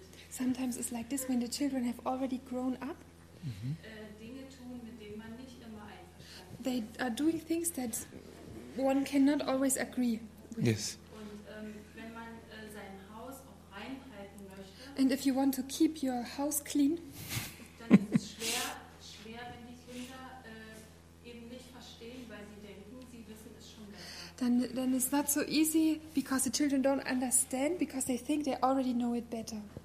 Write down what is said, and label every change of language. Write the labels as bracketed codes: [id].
[en] Sometimes it's like this when the children have already grown up. [de] Dinge tun, mit denen man nicht immer einverstanden. [en] They are doing things that one cannot always agree with. Yes. [de] Und wenn man sein Haus auch reinhalten möchte. [en] And if you want to keep your house clean. [de] Dann ist es schwer, wenn die Kinder eben nicht verstehen, weil sie denken, sie wissen es schon besser. [en] Then it's not so easy because the children don't understand because they think they already know it better.